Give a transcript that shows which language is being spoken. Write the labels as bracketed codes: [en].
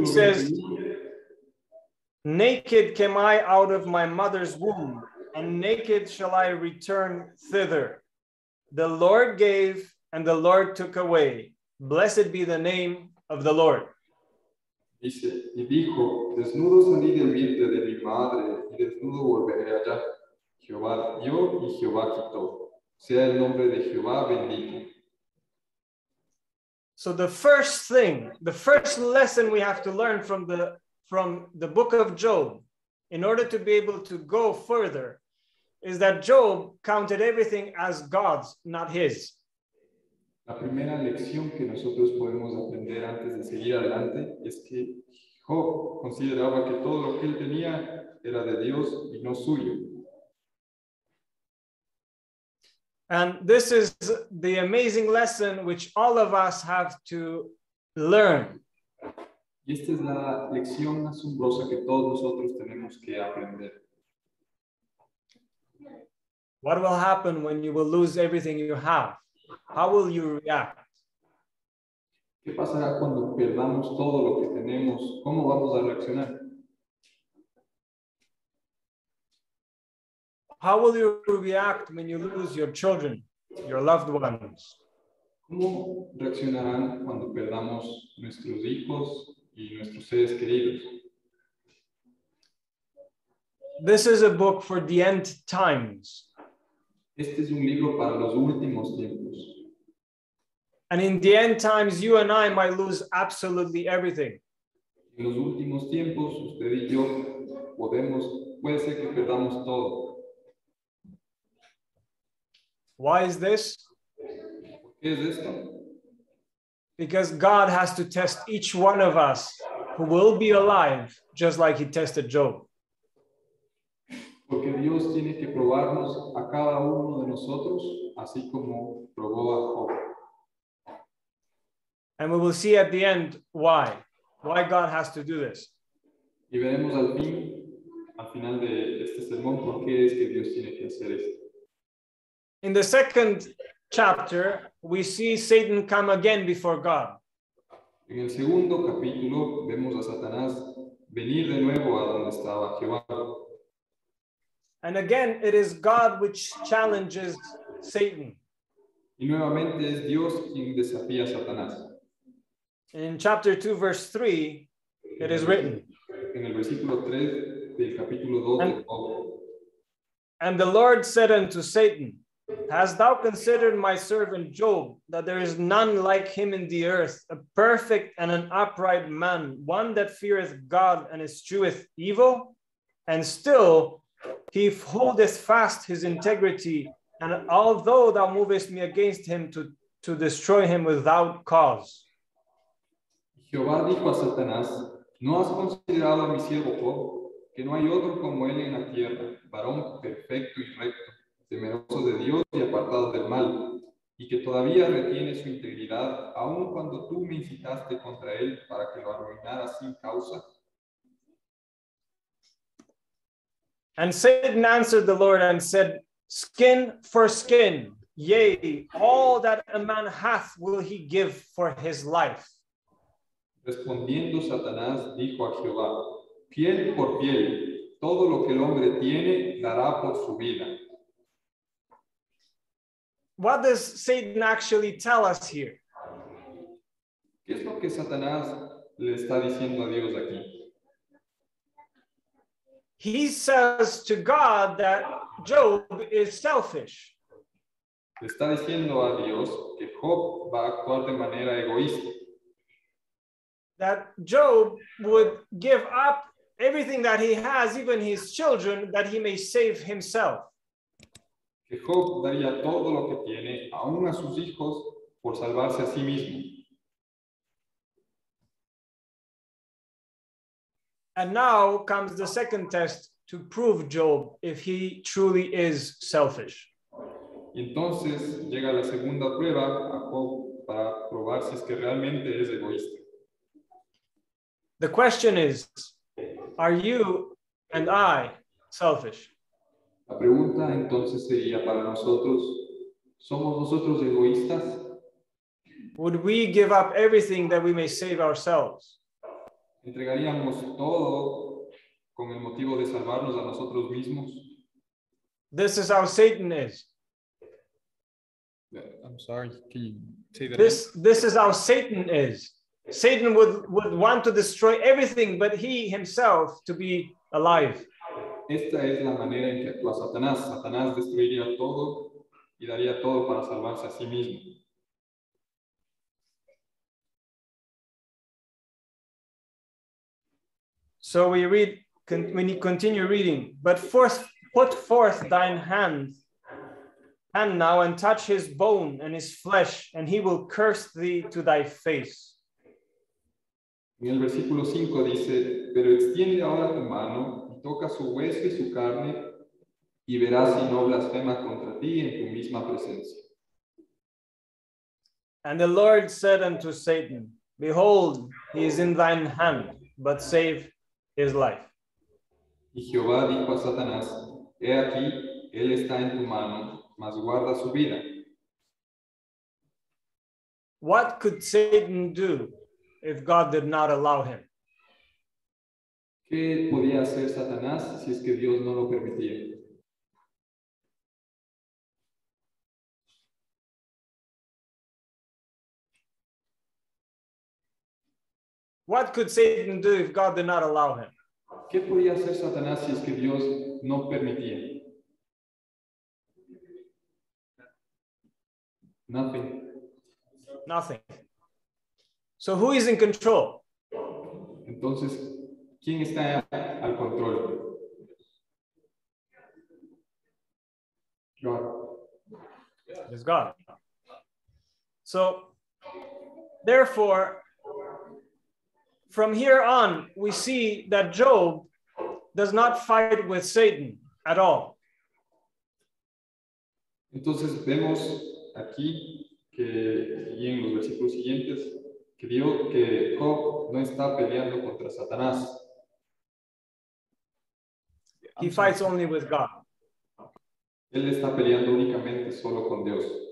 [en] he says, 21, naked came I out of my mother's womb, and naked shall I return thither. The Lord gave, and the Lord took away. Blessed be the name of the Lord. [es] Dice, y dijo, desnudo salí del vientre de mi madre, y desnudo volveré allá. Jehová dio, y Jehová quitó. Sea el nombre de Jehová bendito. [en] So the first thing, the first lesson we have to learn from the book of Job, in order to be able to go further, is that Job counted everything as God's, not his. [es] La primera lección que nosotros podemos aprender antes de seguir adelante es que Job consideraba que todo lo que él tenía era de Dios y no suyo. [en] And this is the amazing lesson which all of us have to learn. [es] Y esta es la lección asombrosa que todos nosotros tenemos que aprender. [en] What will happen when you will lose everything you have? How will you react? [es] ¿Qué pasará cuando perdamos todo lo que tenemos? ¿Cómo vamos a reaccionar? [en] How will you react when you lose your children, your loved ones? [es] ¿Cómo reaccionarán cuando perdamos nuestros hijos y nuestros seres queridos? [en] This is a book for the end times. [es] Este es un libro para los últimos tiempos. [en] And in the end times, you and I might lose absolutely everything. [es] En los últimos tiempos, usted y yo podemos, puede ser que perdamos todo. [en] Why is this? [es] ¿Por qué es esto? [en] Because God has to test each one of us who will be alive, just like he tested Job. [es] Porque Dios tiene que probarnos a cada uno de nosotros, así como probó a Job. [en] And we will see at the end why. Why God has to do this. [es] Y veremos al fin, al final de este sermón, por qué es que Dios tiene que hacer esto. [en] In the second chapter, we see Satan come again before God. [es] En el segundo capítulo, vemos a Satanás venir de nuevo a donde estaba Jehová. [en] And again, it is God which challenges Satan. [es] Y nuevamente es Dios quien desafía a Satanás. [en] In chapter 2, verse 3, it is written. [es] En el versículo 3 del capítulo 2 de Job. [en] And the Lord said unto Satan, Hast thou considered my servant Job, that there is none like him in the earth, a perfect and an upright man, one that feareth God and escheweth evil? And still he holdeth fast his integrity, and although thou movest me against him to destroy him without cause. [es] Jehová dijo a Satanás, ¿No has considerado a mi siervo Job, que no hay otro como él en la tierra, varón perfecto y recto, temeroso de Dios y apartado del mal, y que todavía retiene su integridad, aun cuando tú me incitaste contra él para que lo arruinara sin causa? [en] And Satan answered the Lord and said, Skin for skin, yea, all that a man hath will he give for his life. [es] Respondiendo Satanás dijo a Jehová, Piel por piel, todo lo que el hombre tiene dará por su vida. [en] What does Satan actually tell us here? [es] ¿Qué es lo que Satanás le está diciendo a Dios aquí? [en] He says to God that Job is selfish. [es] Está diciendo a Dios que Job va a actuar de manera egoísta. [en] That Job would give up everything that he has, even his children, that he may save himself. [es] Que Job daría todo lo que tiene, aun a sus hijos, por salvarse a sí mismo. [en] And now comes the second test to prove Job if he truly is selfish. [es] Entonces llega la segunda prueba a Job para probar si es que realmente es egoísta. [en] The question is, are you and I selfish? [es] La pregunta entonces sería para nosotros, ¿somos nosotros egoístas? [en] Would we give up everything that we may save ourselves? [es] ¿Entregaríamos todo con el motivo de salvarnos a nosotros mismos? [en] This is how Satan is. I'm sorry, can you say that? This is how Satan is. Satan would want to destroy everything but he himself to be alive. [es] Esta es la manera en que actúa Satanás. Satanás destruiría todo y daría todo para salvarse a sí mismo. [en] So we read, when you continue reading, but first put forth thine hand now and touch his bone and his flesh, and he will curse thee to thy face. [es] En el versículo 5 dice, pero extiende ahora tu mano y toca su hueso y su carne, y verás si no blasfema contra ti en tu misma presencia. [en] And the Lord said unto Satan, behold, he is in thine hand, but save his life. [es] Y Jehová dijo a Satanás, he aquí, él está en tu mano, mas guarda su vida. [en] What could Satan do if God did not allow him? [es] ¿Qué podía hacer Satanás si es que Dios no lo permitía? [en] What could Satan do if God did not allow him? [es] ¿Qué podía hacer Satanás si es que Dios no permitía? [en] Nothing. Nothing. So who is in control? [es] Entonces, ¿quién está al control? [en] God. It's God. So, therefore, from here on, we see that Job does not fight with Satan at all. [es] Entonces vemos aquí que y en los versículos siguientes que dijo que Job no está peleando contra Satanás. [en] He fights only with God. [es] Él está peleando únicamente solo con Dios.